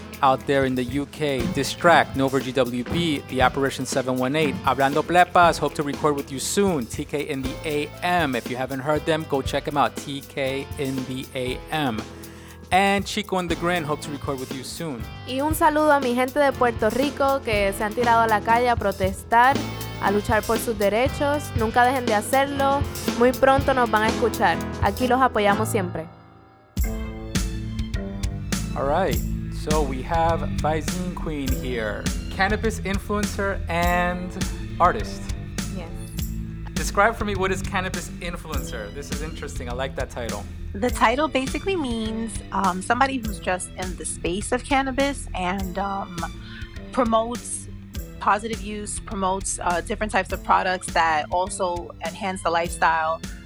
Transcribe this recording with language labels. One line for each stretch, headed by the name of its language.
English: Out there in the UK, Distract, Nova GWB, The Apparition 718, Hablando Plepas, hope to record with you soon, TK in the AM, if you haven't heard them, go check them out, TK in the AM, and Chico in the Grin, hope to record with you soon.
Spanish: Y un saludo a mi gente de Puerto Rico, que se han tirado a la calle a protestar, a luchar por sus derechos, nunca dejen de hacerlo, muy pronto nos van a escuchar, aquí los apoyamos siempre.
English: All right. So we have Vizine Queen here, cannabis influencer and artist. Yes. Describe for me, what is cannabis influencer? This is interesting. I like that title. The title basically means somebody who's just in the space of cannabis and promotes positive use, promotes different types of products that also enhance the lifestyle.